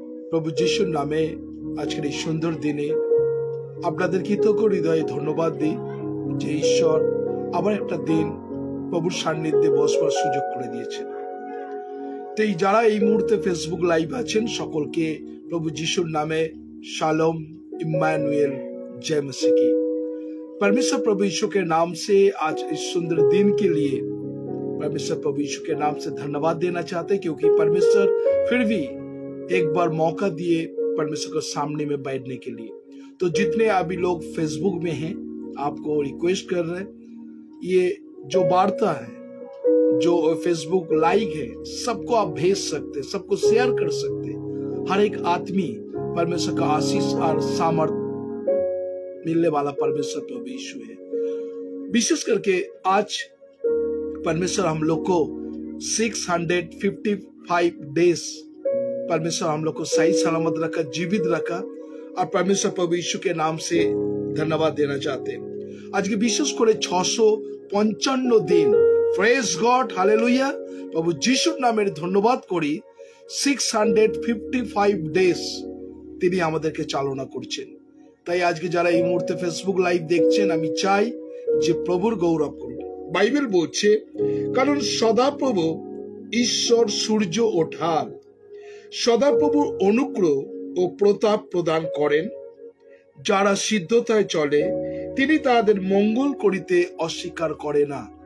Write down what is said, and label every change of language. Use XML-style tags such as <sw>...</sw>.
<bn>প্রভু যিশুর নামে আজকের এই সুন্দর দিনে আপনাদের কৃতজ্ঞ হৃদয়ে ধন্যবাদ দিই যে ঈশ্বর আমার একটা দিন প্রভুর সান্নিধ্যে বসবার সুযোগ করে দিয়েছেন। তাই যারা এই মুহূর্তে ফেসবুক লাইভ আছেন সকলকে প্রভু যিশুর নামে শালোম, ইম্মানুয়েল, জয় মসিহ।</bn> <hi>পরমেশ্বর প্রভু যিশুকে নাম সে আজ এই সুন্দর দিন কে লিয়ে परमेश्वर प्रभु यीशु के नाम से धन्यवाद देना चाहते, क्योंकि परमेश्वर फिर भी एक बार मौका दिए परमेश्वर को सामने में बैठने के लिए। तो जितने अभी लोग फेसबुक में हैं, आपको रिक्वेस्ट कर रहे हैं, ये जो वार्ता है, जो फेसबुक लाइक है, सबको आप भेज सकते, सबको शेयर कर सकते। हर एक आदमी परमेश्वर का आशीष और सामर्थ मिलने वाला परमेश्वर प्रभु यीशु है। विशेष करके आज परमेश्वर हम लोग को 655 डेज परमेश्वर हम लोग को सही सलामत रखा, जीवित रखा, और परमेश्वर प्रभु यीशु के नाम से धन्यवाद देना चाहते। आज के विशेष करे 655 दिन प्रेज गॉड हालेलुया प्रभु यीशु नाम मेरे धन्यवाद करी 655 डेज</hi> <bn>তিনি আমাদেরকে চালনা করছেন। তাই আজকে যারা এই মুহূর্তে ফেসবুক লাইভ দেখছেন, আমি চাই যে প্রভুর গৌরব করুন। বাইবেল বলছে, কারণ সদাপ্রভু ঈশ্বর সূর্য ওঠার, সদাপ্রভুর অনুগ্রহ ও প্রতাপ প্রদান করেন, যারা সিদ্ধতায় চলে তিনি তাদের মঙ্গল করিতে অস্বীকার করে না।</bn>